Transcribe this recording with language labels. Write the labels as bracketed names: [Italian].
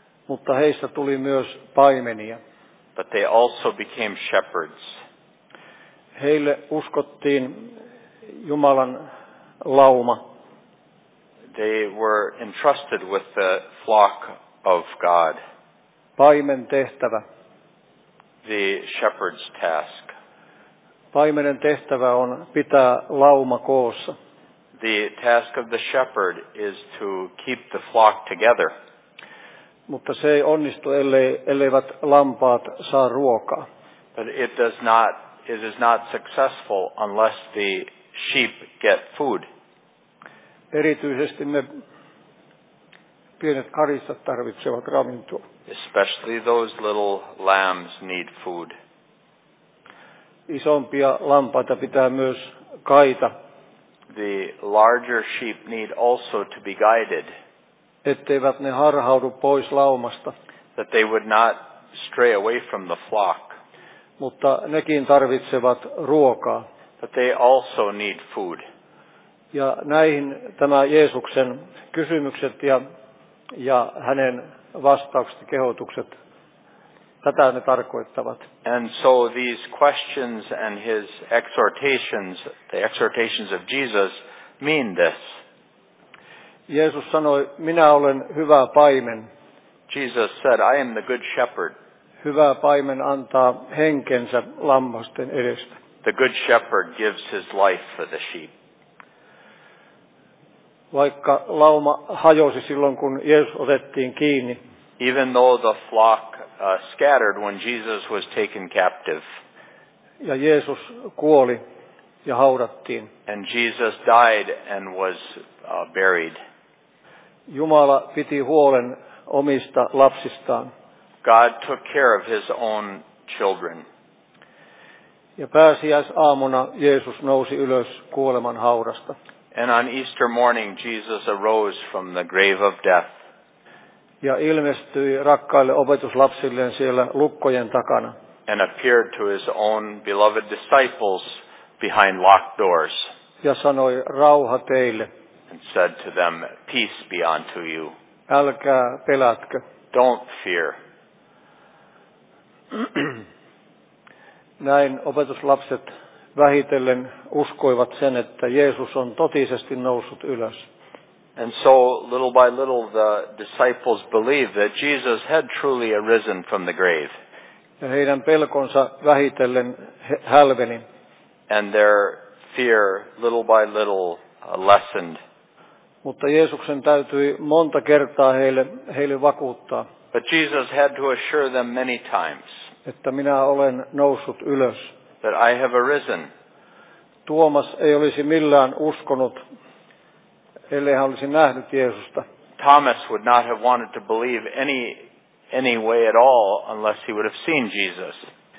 [Finnish] Mutta heistä tuli myös paimenia. [English] But they also became shepherds. [Finnish] Heille uskottiin Jumalan lauma. [English] They were entrusted with the flock of God. [Finnish] Paimen tehtävä. [English] The shepherd's task. [Finnish] Paimenen tehtävä on pitää lauma koossa. [English] The task of the shepherd is to keep the flock together. [Finnish] Mutta se ei onnistu, elleivät lampaat saa ruokaa. [English] But it is not successful unless the sheep get food. [Finnish] Erityisesti ne pienet karissat tarvitsevat ravintoa. [English] Especially those little lambs need food. [Finnish] isompia lampaita pitää myös kaita. [English] The larger sheep need also to be guided. [Finnish] Etteivät ne harhaudu pois laumasta. [English] That they would not stray away from the flock. [Finnish] Mutta nekin tarvitsevat ruokaa. [English] But they also need food. [Finnish] Ja näihin tämä Jeesuksen kysymykset ja hänen vastaukset, kehotukset, tätä ne tarkoittavat. [English] And so these questions and his exhortations, the exhortations of Jesus, mean this. [Finnish] Jeesus sanoi, minä olen hyvä paimen. [English] Jesus said, I am the good shepherd. [Finnish] Hyvä paimen antaa henkensä lammasten edestä. [English] The good shepherd gives his life for the sheep. [Finnish] Vaikka lauma hajosi silloin, kun Jeesus otettiin kiinni. [English] Even though the flock scattered when Jesus was taken captive. [Finnish] Ja Jeesus kuoli ja haudattiin. [English] And Jesus died and was buried. [Finnish] Jumala piti huolen omista lapsistaan. [English] God took care of his own children. [Finnish] Ja pääsiäisaamuna Jeesus nousi ylös kuoleman haudasta. [English] And on Easter morning Jesus arose from the grave of death. [Finnish] Ja ilmestyi rakkaille opetuslapsilleen siellä lukkojen takana. [English] And appeared to his own beloved disciples behind locked doors. [Finnish] Ja sanoi rauha teille. [English] And said to them, peace be unto you. [Finnish] Älkää pelätkö. [English] Don't fear. [Finnish] Näin opetuslapset vähitellen uskoivat sen, että Jeesus on totisesti noussut ylös. [English] And so little by little the disciples believed that Jesus had truly arisen from the grave. [Finnish] Ja heidän pelkonsa vähitellen hälveni. [English] And their fear little by little lessened. [Finnish] Mutta Jeesuksen täytyi monta kertaa heille vakuuttaa. [English] But Jesus had to assure them many times. [Finnish] Että minä olen noussut ylös. [English] That I have arisen. [Finnish] Tuomas ei olisi millään uskonut, ellei hän olisi nähnyt Jeesusta. [English] Thomas would not have wanted to believe any way at all unless he would have seen Jesus.